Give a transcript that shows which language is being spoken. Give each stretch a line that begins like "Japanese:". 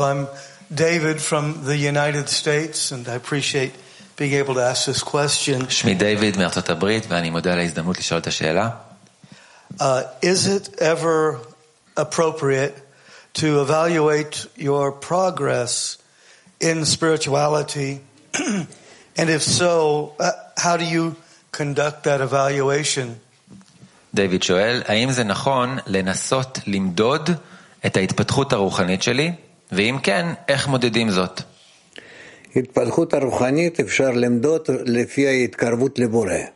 English: I'm David from the United States and I appreciate being able to ask this question.
Hebrew: שמי דייוויד מארצות הברית ואני מודה על ההזדמנות לשאול את השאלה.
English: Is it ever appropriate to evaluate your progress in spirituality? And if so, how do you conduct that evaluation?
Hebrew: דייוויד שואל, האם זה נכון לנסות למדוד את ההתפתחות הרוחנית שלי, ואם כן, איך מודדים זאת? התפתחות הרוחנית אפשר למדוד לפי ההתקרבות לבורא.